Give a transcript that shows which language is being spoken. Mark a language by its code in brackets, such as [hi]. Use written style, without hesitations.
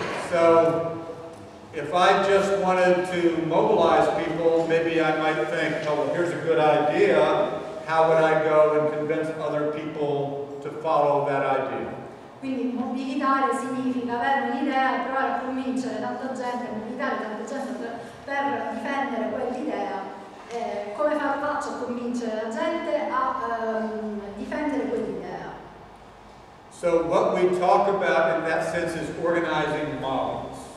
[en] So if I just wanted to mobilize people, maybe I might think, oh well, here's a good idea. How would I go and convince other people to follow that idea? [it] Quindi mobilitare significa avere un'idea, provare a convincere tanta gente, mobilitare tanta gente per difendere quell'idea. Come faccio a convincere la gente a difendere quell'idea? [en] So what we talk about in that sense is organizing models.